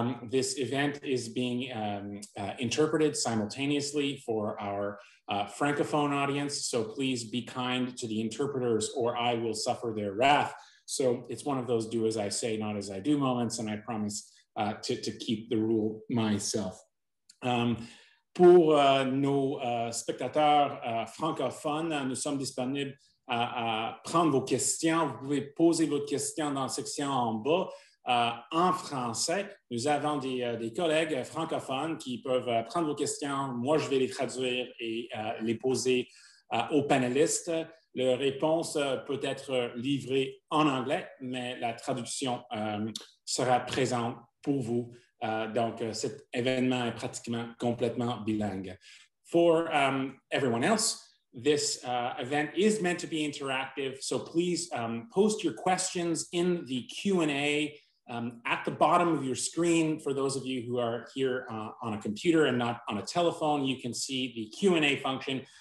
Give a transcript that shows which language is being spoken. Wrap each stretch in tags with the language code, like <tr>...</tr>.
<en>This event is being interpreted simultaneously for our Francophone audience, so please be kind to the interpreters or I will suffer their wrath. So it's one of those do as I say, not as I do moments, and I promise to keep the rule myself.</en> <fr>Pour nos spectateurs francophones, nous sommes disponibles à prendre vos questions. Vous pouvez poser votre question dans la section en bas en français. Nous avons des collègues francophones qui peuvent prendre vos questions. Moi, je vais les traduire et les poser aux panélistes. Leur réponse peut être livrée en anglais, mais la traduction sera présente pour vous. Donc, cet événement est pratiquement complètement bilingue.</fr> <en>For everyone else, this event is meant to be interactive, so please post your questions in the Q&A at the bottom of your screen. For those of you who are here on a computer and not on a telephone, you can see the Q&A function.</en>